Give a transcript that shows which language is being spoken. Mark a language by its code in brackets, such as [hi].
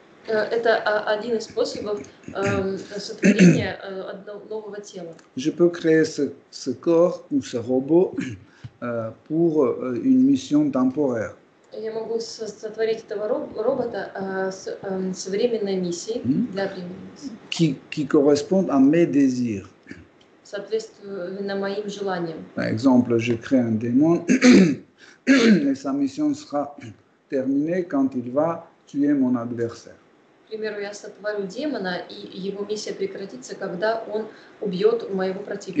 [ru] Это один из способов сотворения нового тела. [fr] Je peux créer ce corps ou ce robot pour une mission temporaire. [ru] Я могу сотворить этого робота с временной миссией для временной миссии. [fr] Qui correspond à mes désirs. [ru] Соответственно моим желаниям. [fr] Par exemple, je crée un démon et sa mission sera terminée quand il va tuer mon adversaire. [ru] К примеру, я сотворю демона, и его миссия прекратится, когда он убьет моего противника.